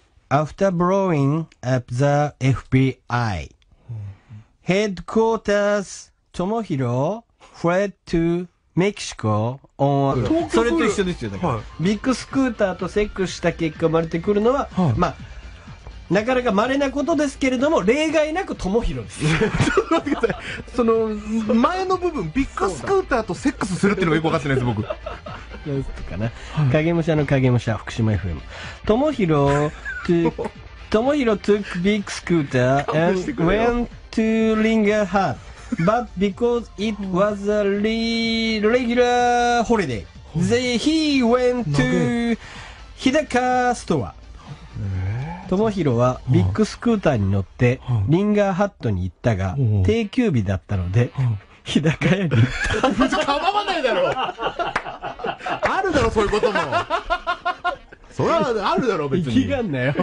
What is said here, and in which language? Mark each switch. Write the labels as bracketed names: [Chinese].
[English] After blowing up the FBI, headquarters, ともひろ fled to [Japanese] メキシコ、それと一緒ですよ。だから、はい、ビッグスクーターとセックスした結果生まれてくるのは、はい、まあ、なかなか稀なことですけれども、例外なくトモヒロです。その前の部分、ビッグスクーターとセックスするっていうのがよく分かってないです、僕。どうしたかな、はい、影武者の影武者、福島 FM。 [English] トモヒロトモヒロ took big scooter and went to Ringer Hut. But because it was a regular holiday, he went to Hidaka store. [Japanese] 智弘はビッグスクーターに乗ってリンガーハットに行ったが定休日だったので日高屋に行った。別に構わないだろ。あるだろそういうことも。それはあるだろ別に。生きがんなよ。